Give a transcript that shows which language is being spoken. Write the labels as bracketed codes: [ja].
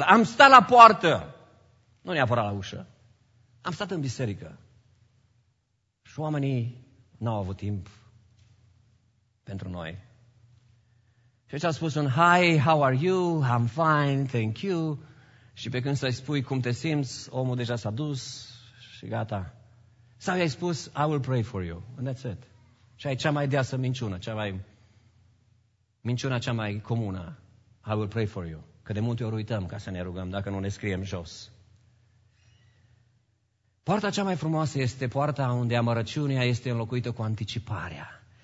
[ro] Am stat la poartă, nu neapărat la ușă. Am stat în biserică și oamenii n-au avut timp pentru noi. Și aici a spus un [en] hi, how are you, I'm fine, thank you. [ro] Și pe când să-i spui cum te simți, omul deja s-a dus și gata. Sau i-ai spus, [en] I will pray for you, and that's it. [ro] Și ai cea mai deasă minciună, cea mai comună, [en] I will pray for you. [ro] Că de multe ori uităm ca să ne rugăm dacă nu ne scriem jos. Poarta cea mai frumoasă este poarta unde amărăciunea este înlocuită cu anticiparea.